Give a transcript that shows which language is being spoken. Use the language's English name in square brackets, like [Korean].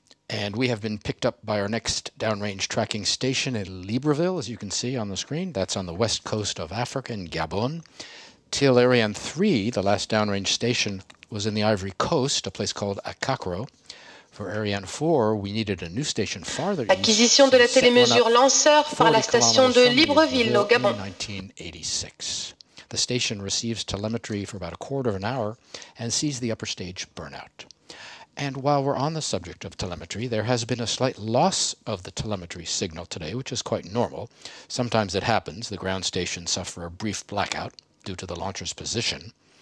[English] And we have been picked up by our next downrange tracking station in Libreville, as you can see on the screen. That's on the west coast of Africa in Gabon. Till Ariane 3, the last downrange station, was in the Ivory Coast, a place called Akakro. For Ariane 4, we needed a new station farther east. [French] Acquisition de la télémesure lanceur par la station de Libreville au Gabon. [English] In 1986. The station receives telemetry for about a quarter of an hour and sees the upper stage burnout. And while we're on the subject of telemetry, there has been a slight loss of the telemetry signal today, which is quite normal. Sometimes it happens. The ground stations suffer a brief blackout due to the launcher's position.